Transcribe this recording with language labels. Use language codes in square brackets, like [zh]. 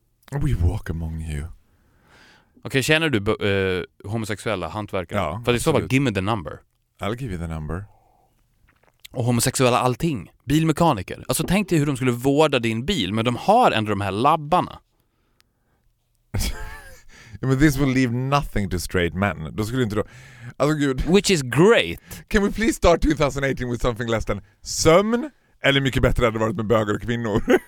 [en] We walk among you. [sv] Okej, känner du homosexuella hantverkare? Ja, för det är så bara, [en] give me the number. I'll give you the number. [sv] Och homosexuella allting. Bilmekaniker. Alltså tänk dig hur de skulle vårda din bil, men de har ändå de här labbarna. [en] I mean, this will leave nothing to straight men. [sv] Då skulle inte då... Alltså, gud. [en] Which is great. Can we please start 2018 with something less than [sv] sömn? Eller mycket bättre hade det varit med bögar och kvinnor.